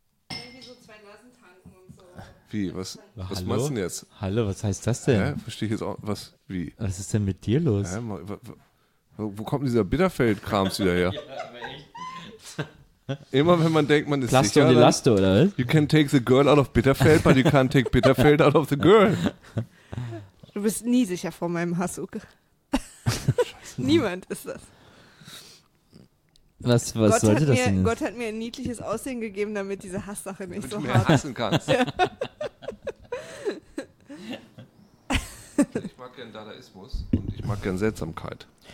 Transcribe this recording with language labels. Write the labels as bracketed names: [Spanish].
[German] Irgendwie so zwei Nasen tanken und so. Wie? Was meinst du denn jetzt? Hallo, was heißt das denn? Verstehe ich jetzt auch. Was? Wie? Was ist denn mit dir los? Wo kommt dieser Bitterfeld-Krams wieder her? Immer wenn man denkt, man ist Plasto sicher. Plasto und Elasto, oder was? [English] You can take the girl out of Bitterfeld, but you can't take Bitterfeld out of the girl. [German] Du bist nie sicher vor meinem Hass, Uke. Scheiße, niemand ist das. Was sollte das denn? Gott hat mir ein niedliches Aussehen gegeben, damit diese Hasssache nicht damit so du hart. Du hassen kannst. Ich mag gern Dadaismus und ich mag gern Seltsamkeit.